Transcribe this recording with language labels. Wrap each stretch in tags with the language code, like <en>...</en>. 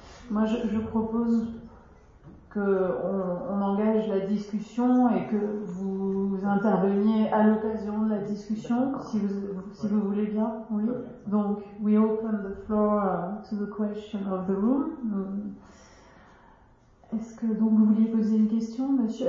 <fr>Moi, je propose qu'on engage la discussion et que vous interveniez à l'occasion de la discussion, si vous voulez bien, oui.</fr> <en>Donc, we open the floor to the question of the room.</en> <fr>Est-ce que donc vous vouliez poser une question, monsieur?</fr>